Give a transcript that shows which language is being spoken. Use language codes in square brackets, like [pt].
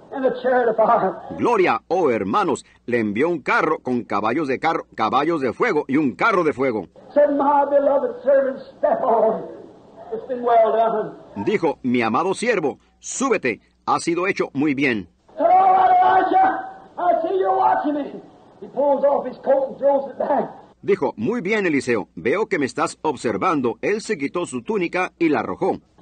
[en] And a chariot of fire. [es] Gloria, oh hermanos, le envió un carro con caballos de carro, caballos de fuego y un carro de fuego. [en] Said, my beloved servant, step on. It's been well done. [es] Dijo, mi amado siervo, súbete, ha sido hecho muy bien. [en] Said, all right, Elijah, I see you're watching me. He pulls off his coat and throws it back. [es] Dijo, muy bien, Eliseo, veo que me estás observando. Él se quitó su túnica y la arrojó.